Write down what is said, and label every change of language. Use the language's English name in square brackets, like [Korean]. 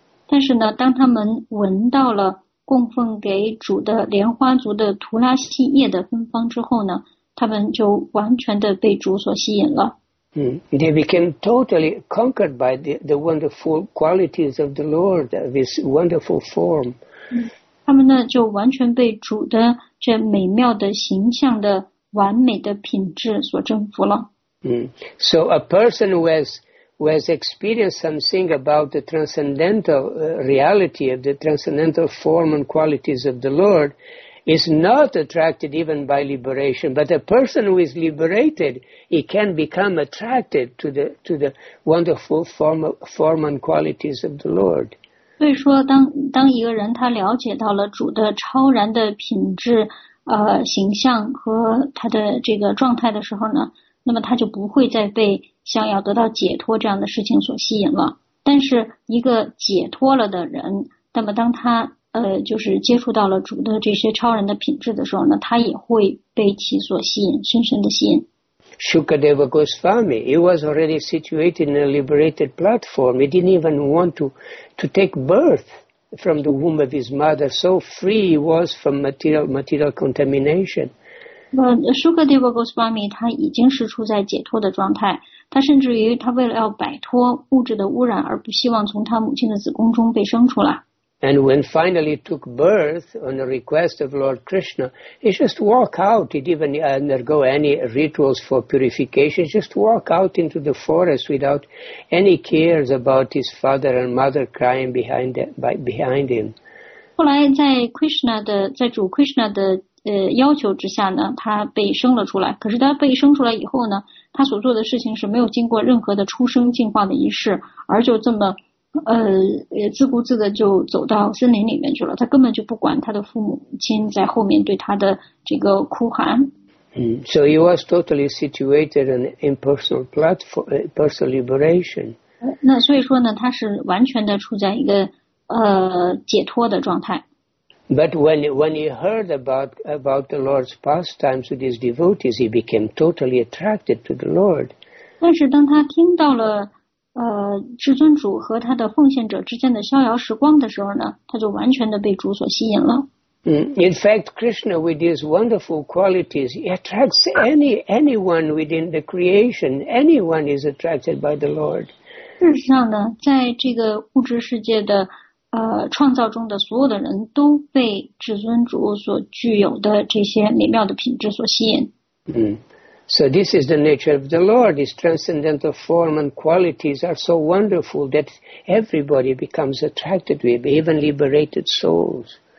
[Chinese] 但是呢，当他们闻到了供奉给主的莲花族的图拉西叶的芬芳之后呢，他们就完全的被主所吸引了。 [English] They became totally conquered by the wonderful qualities of the Lord, this wonderful form. [Chinese] 他们呢就完全被主的这美妙的形象的完美的品质所征服了。 [English] So a person who has experienced something about the transcendental reality of the transcendental form and qualities of the Lord is not attracted even by liberation. But a person who is liberated, he can become attracted to the wonderful form and qualities of the Lord. [Chinese] 所以说当一个人他了解到了主的超然的品质形象和他的这个状态的时候呢，那么他就不会再被想要得到解脱这样的事情所吸引了。但是一个解脱了的人，那么当他就是接触到了主的这些超人的品质的时候呢，他也会被其所吸引，深深的吸引。 [English] Shukadeva Goswami, he was already situated in a liberated platform. He didn't even want to take birth from the womb of his mother. So free he was from material contamination. [Chinese] Shukadeva Goswami, 他已经是处在解脱的状态。他甚至于他为了要摆脱物质的污染而不希望从他母亲的子宫中被生出来。 [English] And when finally took birth on the request of Lord Krishna, he just walked out. He didn't even undergo any rituals for purification. Just walked out into the forest without any cares about his father and mother crying behind him. [Chinese] 后来在 Krishna 的在主 Krishna 的要求之下呢，他被生了出来。可是他被生出来以后呢，他所做的事情是没有经过任何的出生进化的仪式，而就这么。也自顾自的就走到森林里面去了，他根本就不管他的父母亲在后面对他的这个哭喊。 [English] So he was totally situated in impersonal platform, personal liberation. [Chinese] 那所以说呢，他是完全的处在一个解脱的状态。 [English] But when he heard about the Lord's pastimes with his devotees, he became totally attracted to the Lord. [Chinese] 但是当他听到了至尊主和他的奉献者之间的逍遥时光的时候呢，他就完全的被主所吸引了。 [English] In fact, Krishna with his wonderful qualities attracts anyone within the creation. Anyone is attracted by the Lord. [Chinese] 事实上呢，在这个物质世界的创造中的所有的人都被至尊主所具有的这些美妙的品质所吸引。 [English] So this is the nature of the Lord. His transcendental form and qualities are so wonderful that everybody becomes attracted to him, even liberated souls.